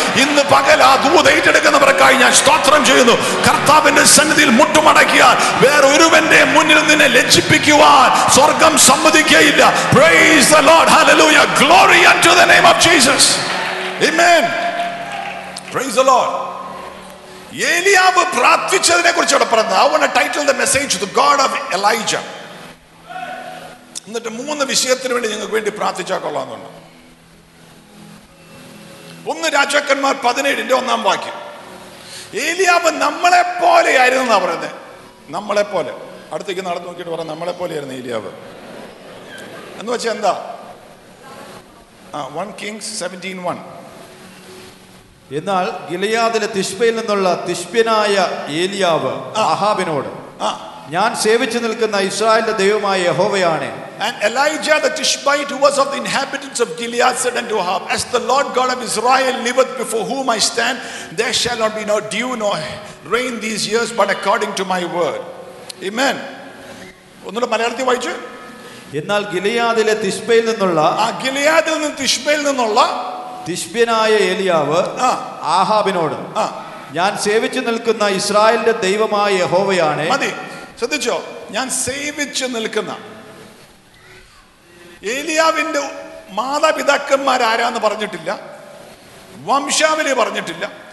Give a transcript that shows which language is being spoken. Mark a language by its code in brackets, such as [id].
[ml] ഇന്ന് പകൽ ആ ദൂത് ഏറ്റെടുക്കുന്നവർക്കായി ഞാൻ സ്തോത്രം ചെയ്യുന്നു. കർത്താവിന്റെ സന്നിധിയിൽ മുട്ടുമടക്കിയാൽ വേറെ ഒരുവന്റെ മുന്നിൽ നിന്നെ ലജ്ജിപ്പിക്കുവാൻ സ്വർഗം സമ്മതിക്കുകയില്ല. [en] Praise the Lord. Hallelujah. Glory unto the name of Jesus. Amen. Praise the Lord. [ml] ഏലിയാവ് പ്രാർത്ഥിച്ചതിനെ കുറിച്ച് ഇവിടെ പറയുന്നു. [en] I want to title the message to the God of Elijah. [ml] എന്നിട്ട് 3 വിഷയത്തിന് വേണ്ടി നിങ്ങൾക്ക് വേണ്ടി പ്രാർത്ഥിച്ചാൽ കൊള്ളാമെന്നുണ്ട്. 1 രാജാക്കന്മാർ 17:1 ഏലിയാവ് നമ്മളെ പോലെയായിരുന്നു എന്നാ പറയുന്നത്. നമ്മളെ പോലെ. അടുത്തേക്ക് നടന്നു നോക്കിയിട്ട് പറ നമ്മളെ പോലെയായിരുന്നു ഏലിയാവ് എന്ന് വെച്ചാൽ എന്താ? [en] 1 Kings 17:1. [ml] എന്നാൽ ഗിലയാദിലെ തിഷ്പയിൽ നിന്നുള്ള തിഷ്പ്യനായ ഏലിയാവ് അഹാബിനോട് ഞാൻ സേവിച്ചു നിൽക്കുന്ന ഇസ്രായേലിന്റെ ദൈവമായ യഹോവയാണ്. [en] And Elijah the Tishbite, who was of the inhabitants of Gilead, said unto Ahab, As the Lord God of Israel liveth before whom I stand, there shall not be no dew nor rain these years, but according to my word. [ml] Amen. ഒന്നുകൂടെ മലയാളത്തിൽ വായിച്ചു. എന്നാൽ ഗിലയാദിലെ തിഷ്പയിൽ നിന്നുള്ള തിഷ്പ്യനായ ഏലിയാവ് ആഹാബിനോട് ഞാൻ സേവിച്ചു നിൽക്കുന്ന ഇസ്രായേലിന്റെ ദൈവമായ യഹോവയാണ്. മതി, ശ്രദ്ധിച്ചോ. ഞാൻ സേവിച്ചു നിൽക്കുന്ന ഏലിയാവിന്റെ മാതാപിതാക്കന്മാരാരാന്ന് പറഞ്ഞിട്ടില്ല, വംശാവലി പറഞ്ഞിട്ടില്ല.